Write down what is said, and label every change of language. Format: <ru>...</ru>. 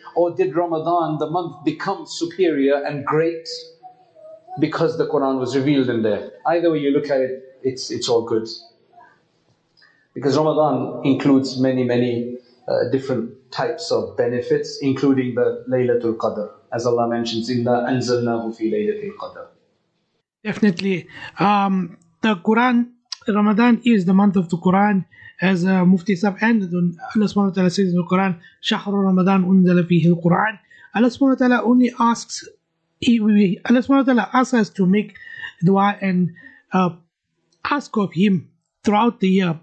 <en>Or did Ramadan, the month, become superior and great because the Quran was revealed in there? Either way you look at it, it's all good. Because Ramadan includes many, many different types of benefits, including the Laylatul Qadr. As Allah mentions,</en> <ar>إِنَّا أَنزَلْنَاهُ فِي لَيْلَةِ الْقَدْرِ.</ar> <en>Definitely. The Quran, Ramadan is the month of the Quran. As Mufti Sahib ended, Allah subhanahu wa ta'ala says in the Quran,</en> <ar>شَهْرُ رَمَضَانَ أُنزَلَ فِيهِ الْقُرْآنِ.</ar> <en>Allah subhanahu wa ta'ala only asks, Allah subhanahu wa ta'ala asks us to make dua and ask of Him throughout the year.</en>